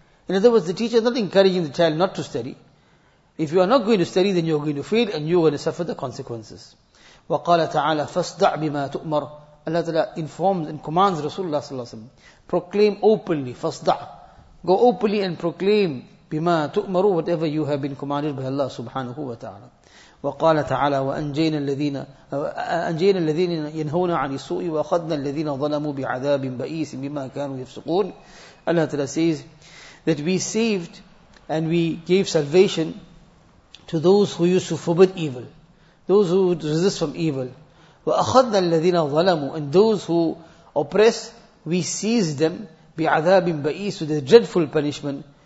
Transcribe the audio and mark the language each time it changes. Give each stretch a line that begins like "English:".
English: In other words, the teacher is not encouraging the child not to study. If you are not going to study, then you are going to fail and you are going to suffer the consequences.
Arabic: وَقَالَ تَعَالَى فَاسْدَعْ بِمَا تُؤْمَرُ.
English: Allah Ta'ala informs and commands Rasulullah sallallahu alaihi wasallam, proclaim openly, فَاسْدَعْ. Go openly and proclaim
Arabic: bima tu'maru,
English: whatever you have been commanded by Allah subhanahu wa ta'ala.
Arabic: وقال تعالى وأنجينا الذين أنجينا الذين ينهون عن السوء وأخذنا الذين ظلموا بعذاب بئيس بما كانوا يفسقون.
English: Allah Ta'ala says that we saved and we gave salvation to those who used to forbid evil, those who would resist from evil.
Arabic: وأخذنا الذين ظلموا,
English: and those who oppress, we seized them
Arabic: بعذاب بئيس,
English: with a dreadful punishment.